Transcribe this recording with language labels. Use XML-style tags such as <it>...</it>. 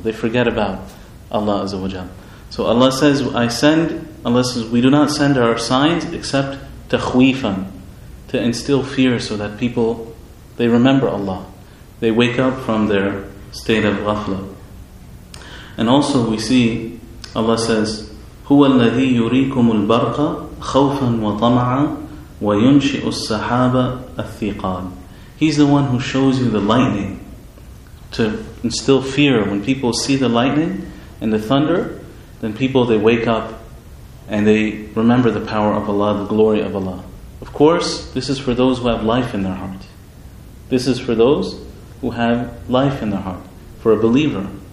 <en>They forget about Allah Azza wa Jal. So Allah says, we do not send our signs except takhwifan, to instill fear so that people, they remember Allah. They wake up from their state of ghafla. And also we see, Allah says,</en> <ar>هُوَ الَّذِي يُرِيكُمُ الْبَرْقَ خَوْفًا وَطَمَعًا وَيُنْشِئُ السَّحَابَ الثِّقَالِ.</ar> <en>He's the one who shows you the lightning to instill fear. When people see the lightning and the thunder, then people, they wake up and they remember the power of Allah, the glory of Allah. Of course, this is for those who have life in their heart. This is for those who have life in their heart. For a believer.</en>